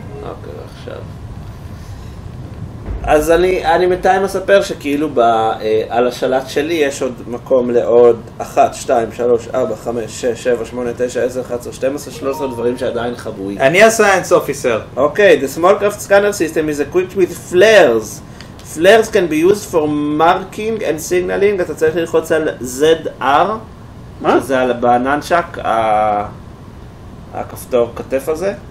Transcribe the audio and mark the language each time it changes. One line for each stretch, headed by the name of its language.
Hebrew: אוקיי, עכשיו. אז אני מתיים מספר שכאילו על השלט שלי יש עוד מקום לעוד 1, 2, 3, 4, 5, 6, 7, 8, 9, 10, 11, 12, 13 דברים שעדיין חבויים. אני הסיינס אופיסר.
English: אוקיי, the small craft scanner system is equipped with flares. Flares can be used for marking and signaling.
Hebrew: אתה צריך ללחוץ על ZR. מה? זה על הבננשק, הכפתור כתף הזה.